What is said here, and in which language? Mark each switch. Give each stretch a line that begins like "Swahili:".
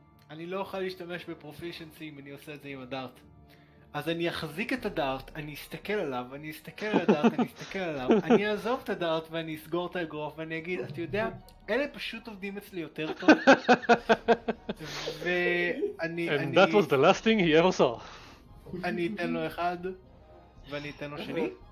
Hebrew: אני לא אוכל להשתמש בפרופישנסי אם אני עושה את זה עם הדארט. אז אני אחזיק את הדארט, אני אסתכל עליו, אני אסתכל על הדארט, אני אסתכל עליו, אני אעזוב את הדארט ואני אסגור את האגרוף ואני אגיד, אתה יודע, אלה פשוט עובדים אצלי יותר טוב. ואני...
English: And that was the last thing he ever saw.
Hebrew: אני אתן לו אחד, ואני אתן לו שני.